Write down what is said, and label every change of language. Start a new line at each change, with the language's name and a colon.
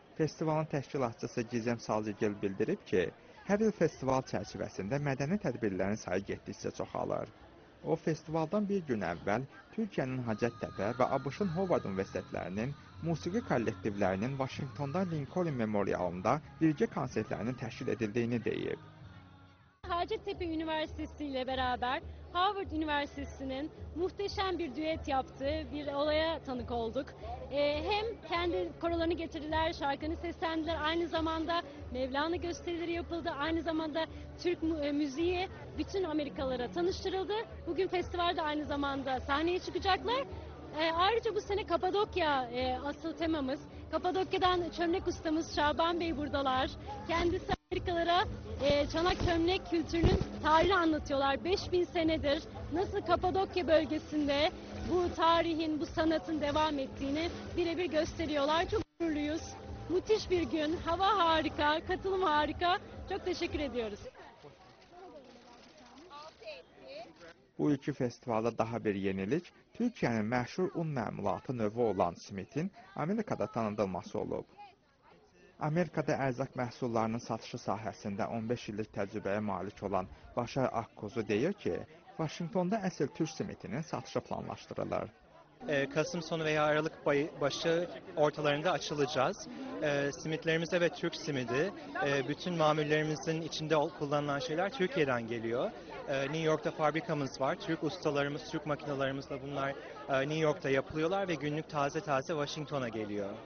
Azerbaijani: Festivalın təşkilatçısı Gizem Salcıgil bildirib ki, hər il festival çərçivəsində mədəni tədbirlərin sayı getdikcə çoxalır. O, festivaldan bir gün əvvəl Türkiyənin Hacettepə və ABŞ-ın Howard Universitetlərinin musiqi kollektivlərinin Vaşinqtonda Lincoln Memorialında birgə konsertlərinin təşkil edildiyini deyib.
Turkish: Hacettepe Üniversitesi ile beraber Howard Üniversitesi'nin muhteşem bir düet yaptığı bir olaya tanık olduk. Hem kendi korolarını getirdiler, şarkını seslendiler, aynı zamanda Mevlana gösterileri yapıldı, aynı zamanda Türk müziği bütün Amerikalara tanıştırıldı. Bugün festivalde aynı zamanda sahneye çıkacaklar. Ayrıca bu sene Kapadokya asıl temamız. Kapadokya'dan çömlek ustamız Şaban Bey buradalar. Kendisi Amerikalara çanak çömlek kültürünün tarihini anlatıyorlar. 5000 senedir nasıl Kapadokya bölgesinde bu tarihin, bu sanatın devam ettiğini birebir gösteriyorlar. Çok gururluyuz. Müthiş bir gün. Hava harika, katılım harika. Çok teşekkür ediyoruz.
Azerbaijani: Bu iki festivalda daha bir yenilik, Türkiyənin məşhur un məmulatı növü olan simitin Amerikada tanıdılması olub. Amerikada ərzaq məhsullarının satışı sahəsində 15 illik təcrübəyə malik olan Başar Akkuzu deyir ki, Vaşinqtonda əsl Türk simitinin satışı planlaşdırılır.
Turkish: Kasım sonu veya Aralık başı ortalarında açılacağız. Simitlerimiz evet Türk simidi. Bütün mamullerimizin içinde kullanılan şeyler Türkiye'den geliyor. New York'ta fabrikamız var. Türk ustalarımız, Türk makinalarımızla bunlar New York'ta yapılıyorlar ve günlük taze taze Washington'a geliyor.